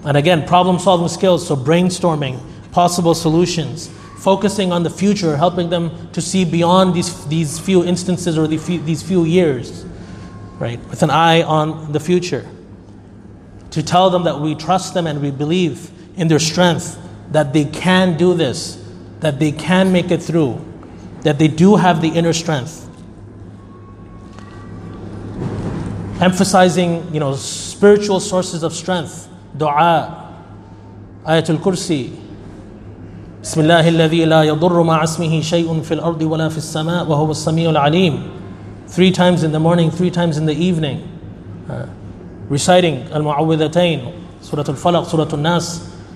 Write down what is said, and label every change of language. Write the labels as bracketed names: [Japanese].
[English] And again, problem-solving skills, so brainstorming possible solutions, focusing on the future, helping them to see beyond these few instances or these few years, right, with an eye on the future. To tell them that we trust them and we believe in their strength, that they can do this, that they can make it through, that they do have the inner strength. Emphasizing, you know, spiritual sources of strength, dua, ayatul kursi, [Arabic] بسم الله الذي لا يضر مع اسمه شيء في الأرض ولا في السماء وهو السميع العليم. [English] 3 times in the morning, 3 times in the evening. [Arabic] Reciting المعوذتين, سورة الفلق, سورة الناس.